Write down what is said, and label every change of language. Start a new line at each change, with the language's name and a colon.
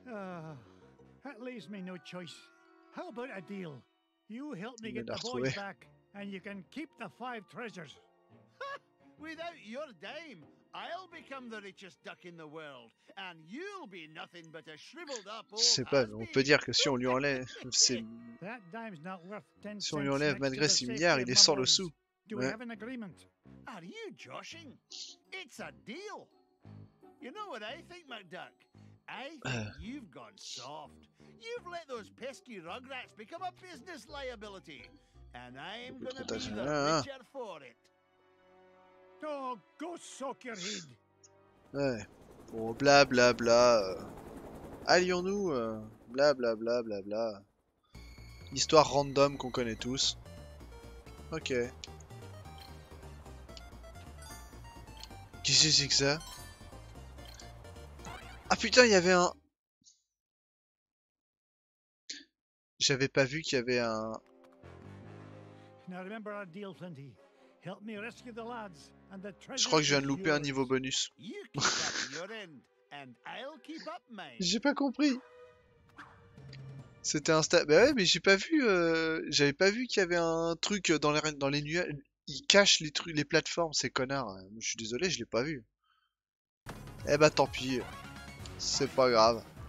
English: That leaves me no choice. How about a deal? You help me get the boys back, and you can keep the five treasures. Without your dime, I'll become the richest duck in the world, and you'll be nothing but a shriveled up old.
French: C'est pas. On peut dire que si on lui enlève, c'est.
English: That dime's not worth 10 cents.
French: Si on lui enlève malgré 6 milliards, il est sans le sou.
English: Do we have an agreement? Are you joshing? It's a deal. You know what I think, McDuck? I think you've gone soft. You've let those pesky rugrats become a business liability. And I'm gonna be the richer for it. Oh, go soak your head.
French: Ouais. Bon, bla bla bla. Allions-nous. Bla bla bla bla bla. Histoire random qu'on connaît tous. Ok. Qu'est-ce que c'est que ça? Ah putain, il y avait un... J'avais pas vu qu'il y avait un...
English: Now remember our deal, Flinty. Help me rescue the lads and the treasure.
French: Je crois que je viens de louper un niveau bonus.
English: You keep up your end, and I'll keep up mine.
French: J'ai pas compris. C'était un stade... Bah ouais, mais j'ai pas vu... J'avais pas vu qu'il y avait un truc dans les nuages... Il cache les trucs, les plateformes, ces connards. Je suis désolé, je l'ai pas vu. Eh bah tant pis. C'est pas grave.